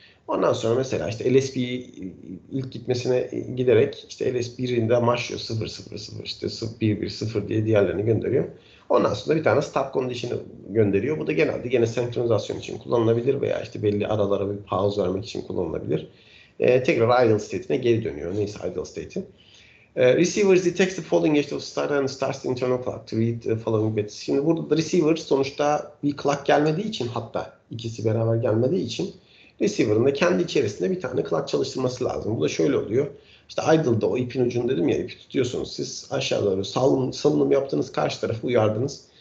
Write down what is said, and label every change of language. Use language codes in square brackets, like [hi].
[tr] Ondan sonra mesela işte LS1 ilk gitmesine giderek işte LS1'in de başlıyor 0 0 0 işte 1 1 0 diye diğerlerini gönderiyor. Ondan sonra bir tane stop condition'ı gönderiyor. Bu da genelde gene senkronizasyon için kullanılabilir veya işte belli aralara bir pause vermek için kullanılabilir. Tekrar idle state'ine geri dönüyor. Neyse idle state'i. [en] Receiver detects the following edge of start and starts the internal clock to read the following bits. [tr] Şimdi burada da receiver sonuçta bir clock gelmediği için hatta ikisi beraber gelmediği için receiver'ın da kendi içerisinde bir tane clock çalıştırması lazım. Bu da şöyle oluyor. İşte idle'da o ipin ucunu dedim ya ipi tutuyorsunuz. Siz aşağı doğru salınım yaptınız. Karşı tarafı uyardınız.